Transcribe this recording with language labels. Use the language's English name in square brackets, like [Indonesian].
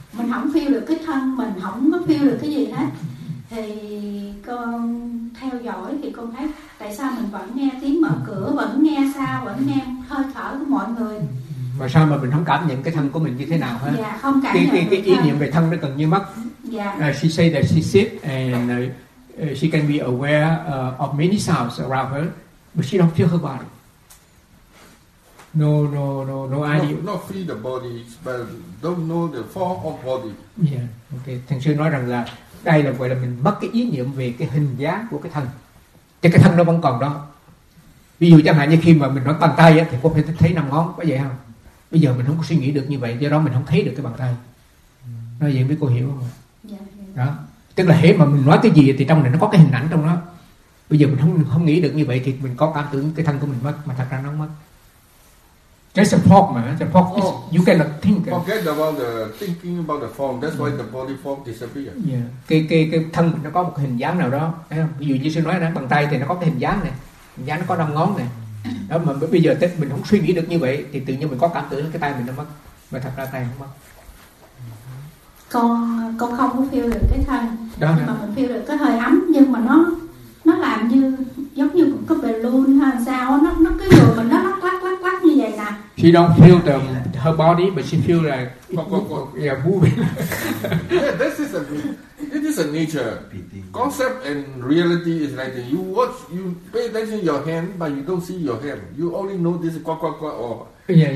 [Vietnamese] Mình không feel được cái thân, mình không có feel được cái gì hết. Thì con theo dõi thì con thấy tại sao mình vẫn nghe tiếng mở cửa, vẫn nghe sao, vẫn nghe hơi thở của mọi người. Mà sao mà mình không cảm nhận cái thân của mình như thế nào hết? Dạ, không cảm nhận cái ý niệm về thân nó gần như mất. Dạ. [English] She say that she sit and she can be aware of many sounds around her, but she don't feel her body. No idea. Not feel the body, but don't know the form of body. Yeah, okay. [Vietnamese] Thành sư nói rằng là đây là gọi là mình mất cái ý niệm về cái hình dáng của cái thân. Chứ cái thân nó vẫn còn đó. Ví dụ chẳng hạn như khi mà mình nói bàn tay á, thì có thể thấy năm ngón, có vậy không? Bây giờ mình không có suy nghĩ được như vậy, do đó mình không thấy được cái bàn tay. Nói vậy mấy cô hiểu không? Dạ. Đó. Tức là hễ mà mình nói cái gì thì trong này nó có cái hình ảnh trong đó. Bây giờ mình không nghĩ được như vậy thì mình có cảm tưởng cái thân của mình mất, mà thật ra nó mất. [English] Just a fog, man. Just a fog. You cannot think. Forget about the thinking about the form. That's why the body form disappears. Yeah. [Vietnamese] Cái thân nó có một hình dáng nào đó. Ví dụ như sư nói là bàn tay thì nó có cái hình dáng này. Hình dáng nó có năm ngón này. Đó, mà bây giờ mình không suy nghĩ được như vậy thì tự nhiên mình có cảm tưởng cái tay mình nó mất, mà thật ra tay không mất. Con không có feel được cái thân đó, nhưng mà mình feel được cái hơi ấm, nhưng mà nó làm như giống như một cái balloon hay sao, nó cứ vừa mình nó lắc như vậy nè. [English] She don't feel the her body but she feel like yeah, moving. Yeah, this is a it is a nature concept and reality is like that. You watch, you pay attention to your hand, but you don't see your hand. You only know this quack quack quack or the